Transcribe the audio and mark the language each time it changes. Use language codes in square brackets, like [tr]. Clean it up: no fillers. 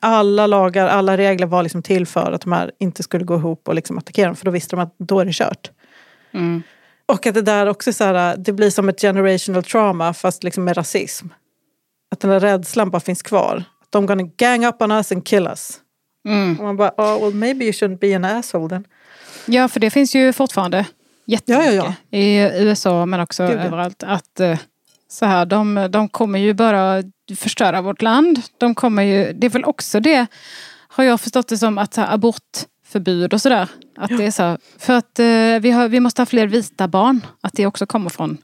[sv] Alla lagar, alla regler var liksom till för att de här inte skulle gå ihop och liksom attackera dem, för då visste de att då är det kört. Mm. Och att det där också så här, det blir som ett [en] generational trauma, [sv] fast liksom med rasism, att den där rädslan bara finns kvar, de [en] gonna gang up on us and kill us. Mm. [sv] Och man bara, [en] oh, well maybe you shouldn't be an asshole then. [sv] Ja, för det finns ju fortfarande jättemycket i USA, men också överallt, att så här, de kommer ju bara förstöra vårt land. De kommer ju, det är väl också det, har jag förstått det som, att så här, abortförbud och sådär, att det är så här, för att vi måste ha fler vita barn, att det också kommer från.